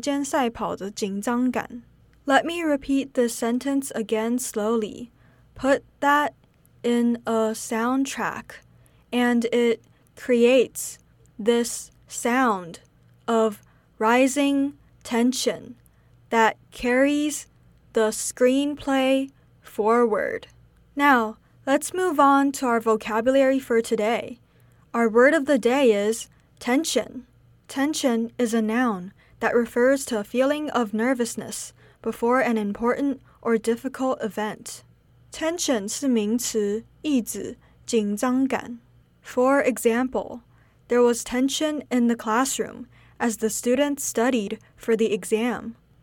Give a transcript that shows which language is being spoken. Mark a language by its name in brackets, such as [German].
[Chinese] 将这个现象置入配乐，就会制造出电影中跟着时间赛跑的紧张感。 [English] Let me repeat this sentence again slowly. Put that in a soundtrack, and it creates this sound of rising tension that carries the screenplay forward. Now, let's move on to our vocabulary for today. Our word of the day is tension. Tension is a noun that refers to a feeling of nervousness before an important or difficult event. [Chinese] Tension 是名词,意指紧张感. [English] For example, there was tension in the classroom as the students studied for the exam.